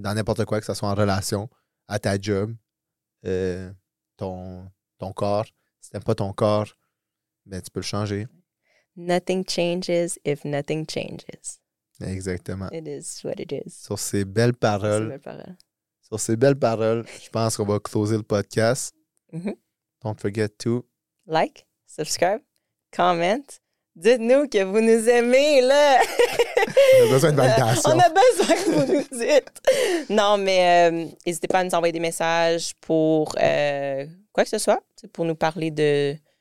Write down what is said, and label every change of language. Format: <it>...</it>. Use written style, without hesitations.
<fr>Dans n'importe quoi, que ce soit en relation. À ta job, ton corps. Si t'aimes pas ton corps, ben tu peux le changer.</fr> <en>Nothing changes if nothing changes.</en> <fr>Exactement.</fr> <en>It is what it is.</en> <fr>Sur ces belles paroles. Sur ces belles paroles, je pense qu'on va closer le podcast. Mm-hmm.</fr> <en>Don't forget to like, subscribe, comment.</en> <fr>Dites-nous que vous nous aimez, là! On a besoin de validation. On a besoin que vous nous dites. Non, mais n'hésitez pas à nous envoyer des messages pour quoi que ce soit, pour nous parler de</fr>